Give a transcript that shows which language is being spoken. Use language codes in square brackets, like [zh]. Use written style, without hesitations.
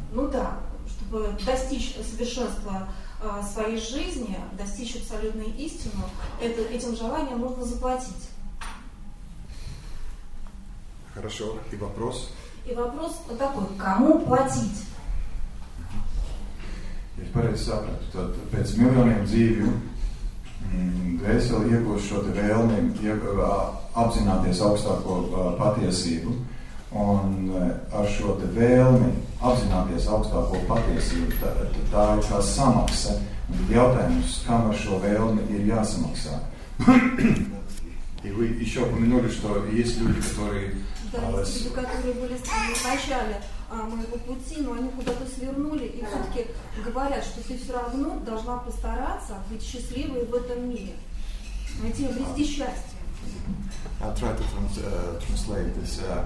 [ru] Ну да, чтобы достичь совершенства своей жизни, достичь абсолютной истины, этим желанием нужно заплатить. Хорошо, и вопрос? И вопрос такой, кому платить? [lv] Ir pareizi sapratu, tad pēc miljoniem dzīvju dvēseli iegūst šo te vēlmi apzināties augstāko patiesību, un ar šo te vēlmi apzināties augstāko patiesību, tā ir tā samaksa, un tad jautājums, kam ar šo vēlmi ir jāsamaksā. [ru] Еще упомянули, что есть люди, которые... Да, есть люди, которые были в начале моего пути, но они куда-то свернули и все-таки говорят, что ты все равно должна постараться быть счастливой в этом мире, найти везде счастье. [en] I'll try to translate this.